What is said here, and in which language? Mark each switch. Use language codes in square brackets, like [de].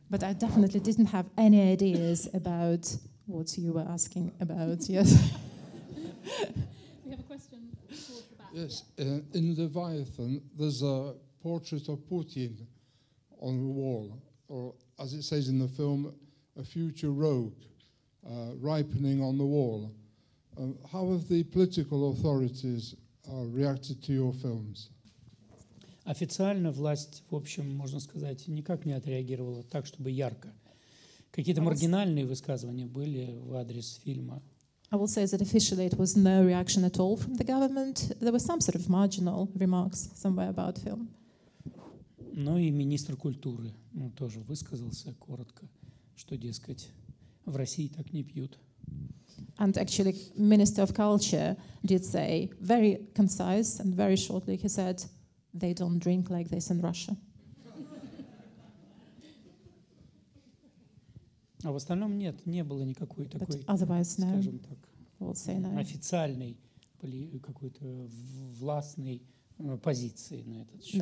[en] But I definitely didn't have any ideas about what you were asking about. Yes. We have a question. Yes. In Leviathan, there's a portrait of Putin on the wall, or as it says in the film, a future rogue ripening on the wall. How have the political authorities reacted to your films? [ru] Официально власть, в общем, можно сказать, никак не отреагировала так, чтобы ярко. Какие-то маргинальные высказывания были в адрес фильма. [en] I will say that officially it was no reaction at all from the government. There were some sort of marginal remarks somewhere about film. [ru] Ну и министр культуры тоже высказался коротко, что, дескать, в России так не пьют. [en] And actually, Minister of Culture did say very concise and very shortly, he said, they don't drink like this in Russia. [ru] А в остальном нет, не было никакой такой, [en] But otherwise, no. [ru] скажем так, [en] we'll say no. [ru] официальной какой-то властной позиции на этот счет.